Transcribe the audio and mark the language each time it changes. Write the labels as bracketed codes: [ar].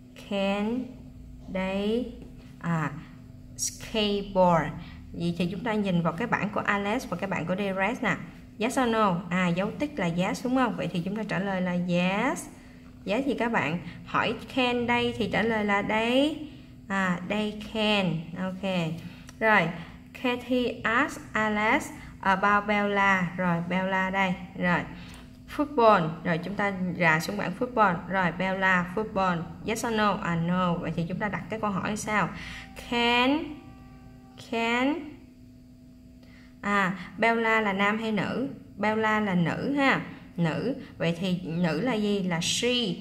[en] Can they skateboard? [vi] Vậy thì chúng ta nhìn vào cái bảng của Alice và cái bảng của Derek nè. [en] Yes or no? [vi] Dấu tích là yes đúng không? Vậy thì chúng ta trả lời là yes. Yes thì các bạn hỏi can they thì trả lời là they. [en] They can. Ok. Rồi, Kathy asked Alice about Bella. [vi] Rồi, Bella đây. Rồi, football. Rồi, chúng ta rà xuống bảng football. Rồi, Bella, football. [en] Yes or no? No. [vi] Vậy thì chúng ta đặt cái câu hỏi sao? Can Bella là nam hay nữ? Bella là nữ ha. Nữ. Vậy thì nữ là gì? Là she.